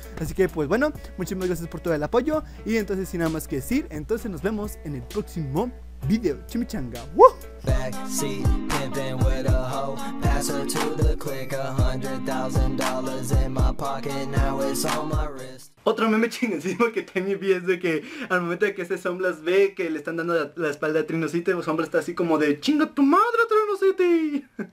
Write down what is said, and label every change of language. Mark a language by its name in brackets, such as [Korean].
[Spanish] Así que pues bueno, muchísimas gracias por todo el apoyo, y entonces sin nada más que decir, entonces nos vemos en el próximo video. Chimichanga, ¡woo! [English] Backseat pimping with a hoe, pass her to the click, $100,000 in my pocket, now it's on my wrist. [Spanish] Otro meme chingadísimo que tiene vi es de que al momento de que ese Sunblast ve que le están dando la espalda a Trinocite, Sunblast está así como de chinga tu madre, Trinocite.